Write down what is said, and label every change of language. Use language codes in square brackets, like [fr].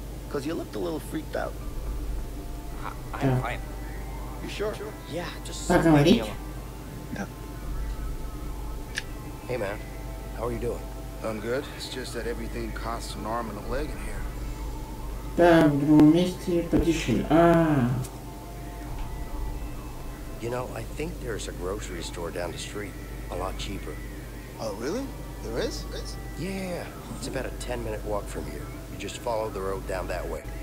[en] Cause you looked a little freaked out. I'm fine. You sure? Yeah, just [ru] поговорить. [en] Hey man, how are you doing? I'm good. It's just that everything costs an arm and a leg in here. [ru] Так, в другом месте подешевле. [en] You know, I think there's a grocery store down the street, a lot cheaper. Oh, really? There is? It's... Yeah, it's about a 10-minute walk from here. You just follow the road down that way.